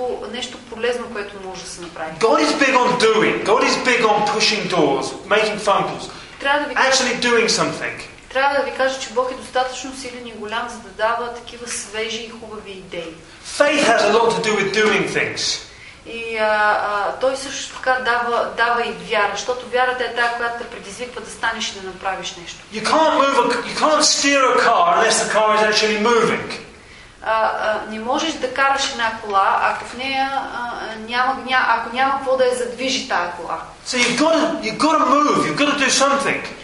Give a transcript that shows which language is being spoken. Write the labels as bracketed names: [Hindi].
[Bulgarian] Нещо полезно, което може да се направи. [English] God is big on doing. God is big on pushing doors, making phone calls. Actually doing something. [Bulgarian] Трябва да ви кажа, че Бог е достатъчно силен и голям, за да дава такива свежи и хубави идеи. [English] Faith has a lot to do with doing things. [Bulgarian] И той също така дава и вяра, защото вярата е тая, която те предизвиква да станеш и да направиш нещо. [English] You can't steer a car unless the car is actually moving. [Bulgarian] Не можеш да караш една кола, ако в нея няма какво да я задвижи тая кола. [English] So you've got to move, you've got to do something.